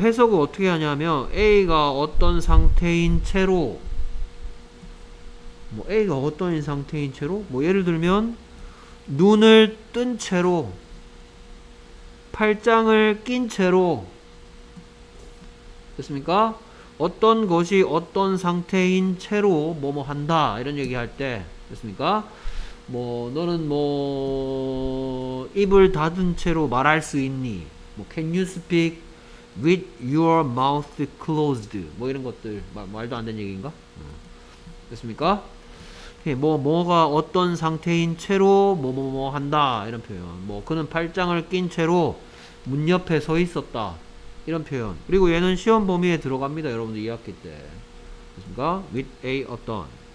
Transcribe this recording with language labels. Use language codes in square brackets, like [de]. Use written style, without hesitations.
[ko] 해석을 어떻게 하냐면 A가 어떤 상태인 채로 뭐 A가 어떤 상태인 채로 뭐 예를 들면 눈을 뜬 채로 팔짱을 낀 채로 됐습니까? 어떤 것이 어떤 상태인 채로 뭐뭐 한다 이런 얘기할 때 됐습니까? 뭐 너는 뭐 입을 닫은 채로 말할 수 있니? [en] 뭐 can you speak with your mouth closed? [ko] 뭐 이런 것들 말도 안 되는 얘기인가? 됐습니까? 뭐 뭐가 어떤 상태인 채로 뭐뭐뭐 한다 이런 표현. 뭐 그는 팔짱을 낀 채로 문 옆에 서 있었다 이런 표현. 그리고 얘는 시험 범위에 들어갑니다. 여러분들 2학기 때. 됐습니까? With a 어떤.